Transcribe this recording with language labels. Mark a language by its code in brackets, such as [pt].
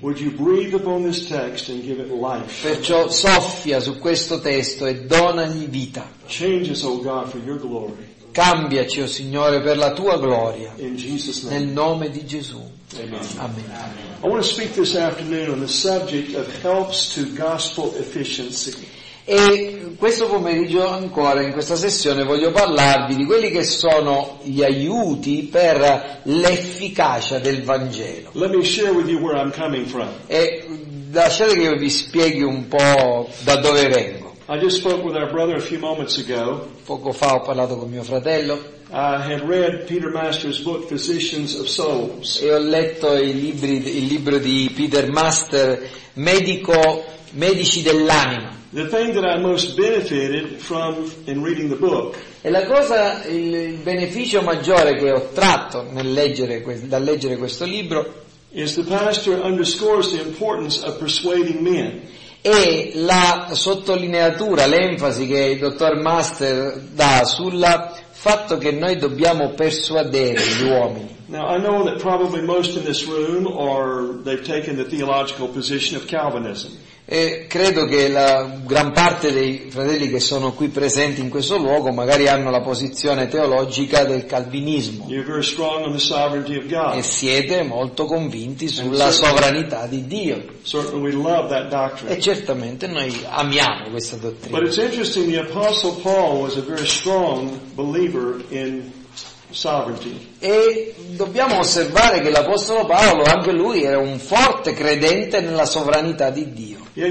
[en] Would you breathe upon this text and give it life? [it] Perciò soffia su questo testo e donagli vita. [en] Change us, oh God, for your glory. [it] Cambiaci, oh Signore, per la tua gloria. [en] In Jesus' name. [it] Nel nome di Gesù. Amen. [en] I want to speak this afternoon on the subject of helps to gospel efficiency. [it] E questo pomeriggio ancora in questa sessione voglio parlarvi di quelli che sono gli aiuti per l'efficacia del Vangelo. [en] Let me share with you where I'm coming from. [it] E lasciate che io vi spieghi un po' da dove vengo. [en] I just spoke with our brother a few moments ago. [it] Poco fa ho parlato con mio fratello. [en] I had read Peter Master's book Physicians of Souls. [it] E ho letto il libro di Peter Master, Medici dell'anima. [en] The thing that I most benefited from in reading the book. [it] E la cosa, il beneficio maggiore che ho tratto dal leggere questo libro, [en] is the pastor underscores the importance of persuading men. [it] È la sottolineatura, l'enfasi che il dottor Master dà sul fatto che noi dobbiamo persuadere gli uomini. [en] Now I know that probably most in this room are they've taken the theological position of Calvinism. [it] E credo che la gran parte dei fratelli che sono qui presenti in questo luogo magari hanno la posizione teologica del calvinismo e siete molto convinti sulla sovranità di Dio. [en] Certainly we love that doctrine. [it] E certamente noi amiamo questa dottrina. [en] But it's interesting, the Apostle Paul was a very strong believer in sovereignty. [it] E dobbiamo osservare che l'Apostolo Paolo, anche lui, era un forte credente nella sovranità di Dio.